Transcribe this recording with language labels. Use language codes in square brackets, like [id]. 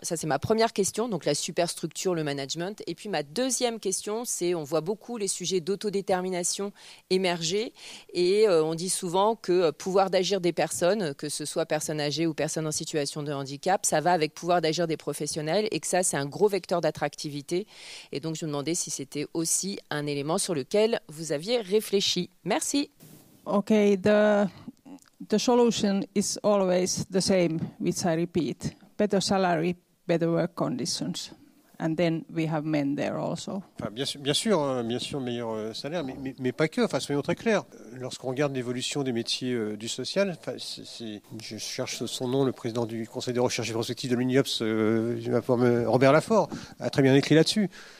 [fr] Ça, c'est ma première question, donc la superstructure, le management. Et puis ma deuxième question, c'est on voit beaucoup les sujets d'autodétermination émerger et on dit souvent que pouvoir d'agir des personnes, que ce soit personnes âgées ou personnes en situation de handicap, ça va avec pouvoir d'agir des professionnels et que ça, c'est un gros vecteur d'attractivité. Et donc, je me demandais si c'était aussi un élément sur lequel vous aviez réfléchi. Merci. [en] OK, The solution is always the same, which I repeat. Better salary, better work conditions. And then we have men there also. [fr] Enfin, bien sûr, meilleur salaire, mais pas que. Enfin, soyons très clairs. Lorsqu'on regarde l'évolution des métiers du social, je cherche son nom, le président du Conseil de recherche et prospective de l'UNIOPS, Robert Lafort, a très bien écrit là-dessus.